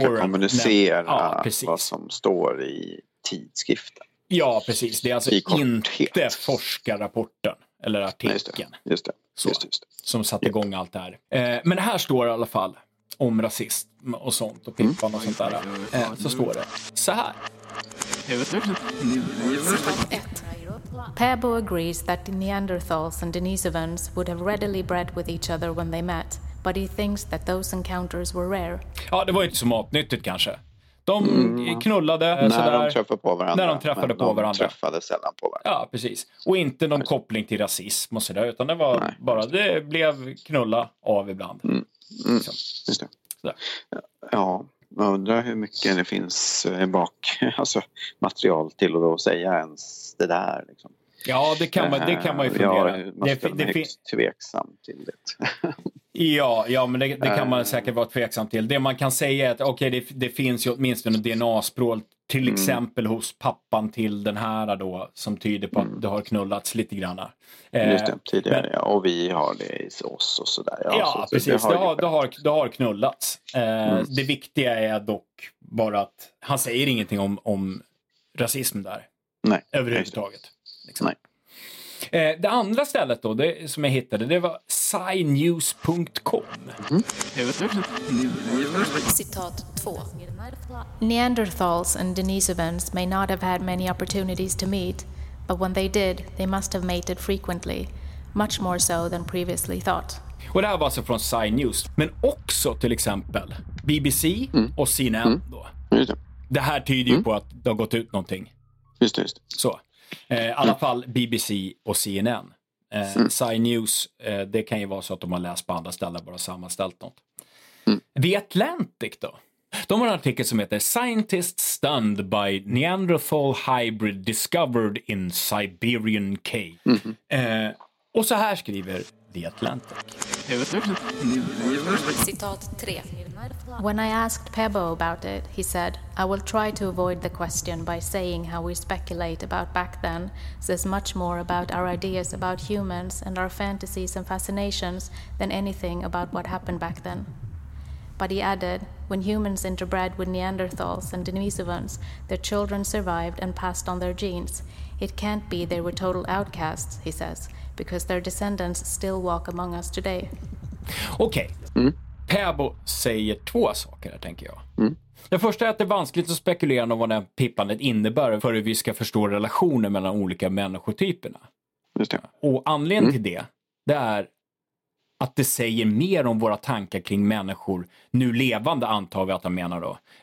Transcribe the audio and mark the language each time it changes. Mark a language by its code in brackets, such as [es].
[sv] Som ska kommunicera vad som står i tidskriften. Ja, precis. Det är alltså inte forskarrapporten eller artikeln. Just det. Just det. Som satte igång allt det här. Men här står det i alla fall om rasism och sånt och pippan och sånt där. Så står det så här. [en] Pebo agrees that Neanderthals and Denisovans would have readily bred with each other when they met, but he thinks that those encounters were rare. [sv] Ja, det var ju inte så matnyttigt kanske. De knullade när de träffade på varandra. De träffade sällan på varandra. Ja, precis. Och inte någon koppling till rasism och sådär, utan det var bara, det blev knulla av ibland. Liksom. Just det. Sådär. Ja, undrar hur mycket det finns bak, alltså material till att då säga ens det där. Liksom. Ja, det kan man ju fundera. Ja, man ska vara tveksam till det. Ja, men det kan man säkert vara tveksam till. Det man kan säga är att det finns ju åtminstone DNA-språk till exempel hos pappan till den här då, som tyder på att det har knullats lite grann. Just det, tidigare. Men, ja, och vi har det i oss och sådär. Precis. Det har knullats. Det viktiga är dock bara att han säger ingenting om rasism där. Nej. Överhuvudtaget. Liksom. Nej. Det andra stället då, det som jag hittade, det var signews.com. Citat 2. [en] Neanderthals and Denisovans may not have had many opportunities to meet, but when they did, they must have mated frequently, much more so than previously thought. [sv] Och det här var alltså från SciNews, men också till exempel BBC och CNN då. Just det. Det här tyder ju på att det har gått ut någonting. Just det. Så. I alla fall BBC och CNN. SciNews, det kan ju vara så att de har läst på andra ställen bara sammanställt något. The Atlantic då? De har en artikel som heter Scientists Stunned by Neanderthal Hybrid Discovered in Siberian Cave. Mm-hmm. Och så här skriver The Atlantic. Citat 3. [en] When I asked Pebo about it, he said, I will try to avoid the question by saying how we speculate about back then says much more about our ideas about humans and our fantasies and fascinations than anything about what happened back then. But he added, when humans interbred with Neanderthals and Denisovans, their children survived and passed on their genes. It can't be they were total outcasts, he says, because their descendants still walk among us today. [sv] Okej. [en] Okay. [sv] Pebo säger två saker, tänker jag. Mm. Det första är att det är vanskligt att spekulera om vad det pippandet innebär för att vi ska förstå relationer mellan olika människotyperna. Just det. Och anledningen till det är att det säger mer om våra tankar kring människor, nu levande antar vi att han menar då,